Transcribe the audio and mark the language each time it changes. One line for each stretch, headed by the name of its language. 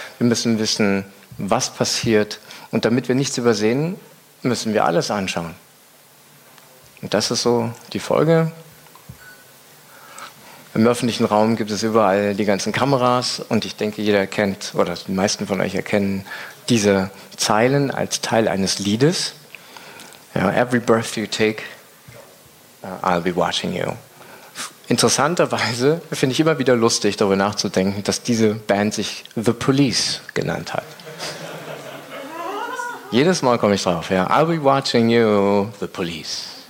German: Wir müssen wissen, was passiert. Und damit wir nichts übersehen, müssen wir alles anschauen. Und das ist so die Folge. Im öffentlichen Raum gibt es überall die ganzen Kameras. Und ich denke, jeder kennt, oder die meisten von euch erkennen, diese Zeilen als Teil eines Liedes.
English: Ja, every breath you take, I'll be watching you.
German: Interessanterweise finde ich immer wieder lustig, darüber nachzudenken, dass diese Band sich The Police genannt hat. Jedes Mal komme ich drauf, ja.
English: I'll be watching you, The Police.